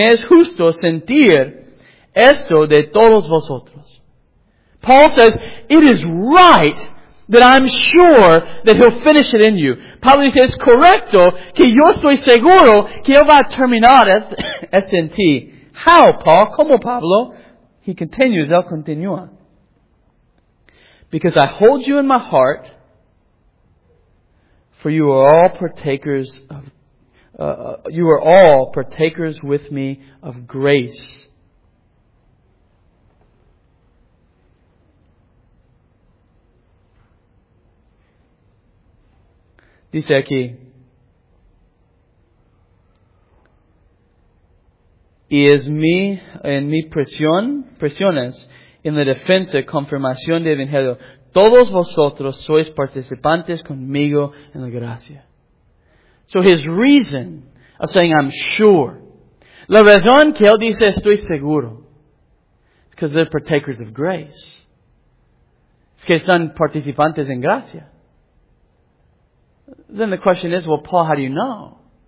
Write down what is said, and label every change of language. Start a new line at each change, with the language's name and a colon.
Spanish: Me es justo sentir esto de todos vosotros.
English: Paul says, it is right that I'm sure that he'll finish it in you.
Spanish: Pablo dice, es correcto que yo estoy seguro que él va a terminar esto en ti.
English: How, Paul?
Spanish: ¿Cómo, Pablo?
English: He continues,
Spanish: él continúa.
English: Because I hold you in my heart, for you are all partakers of, you are all partakers with me of grace.
Spanish: Dice aquí, y es mi, en mi presiones, en la defensa y confirmación del Evangelio, todos vosotros sois participantes conmigo en la gracia.
English: So his reason of saying I'm sure,
Spanish: la razón que él dice estoy seguro, es
English: because they're partakers of grace.
Spanish: Es que están participantes en gracia.
English: Then the question is, well, Paul, how do you know?